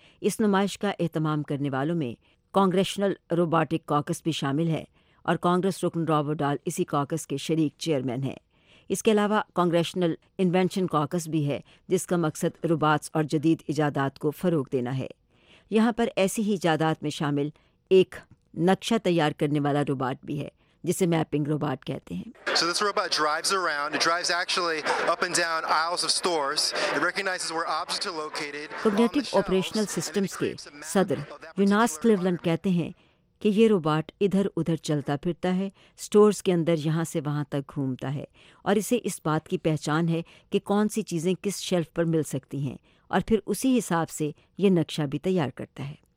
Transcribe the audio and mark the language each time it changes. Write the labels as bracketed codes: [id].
[ur] اس نمائش کا اہتمام کرنے والوں میں کانگریشنل روبوٹک کاکس بھی شامل ہے، اور کانگریس رکن راب وڈال اسی کاکس کے شریک چیئرمین ہیں۔ اس کے علاوہ کانگریشنل انوینشن کاکس بھی ہے، جس کا مقصد روبوٹس اور جدید ایجادات کو فروغ دینا ہے۔ یہاں پر ایسی ہی ایجادات میں شامل ایک نقشہ تیار کرنے والا روبوٹ بھی ہے، جسے میپنگ روبوٹ کہتے ہیں۔ [en] So this robot drives around, it drives actually up and down aisles of stores, it recognizes where objects are located. [ur] Cognitive operational systems کے صدر یوناس کلیولینڈ کہتے ہیں کہ یہ روبوٹ ادھر ادھر چلتا پھرتا ہے، اسٹورز کے اندر یہاں سے وہاں تک گھومتا ہے، اور اسے اس بات کی پہچان ہے کہ کون سی چیزیں کس شیلف پر مل سکتی ہیں، اور پھر اسی حساب سے یہ نقشہ بھی تیار کرتا ہے۔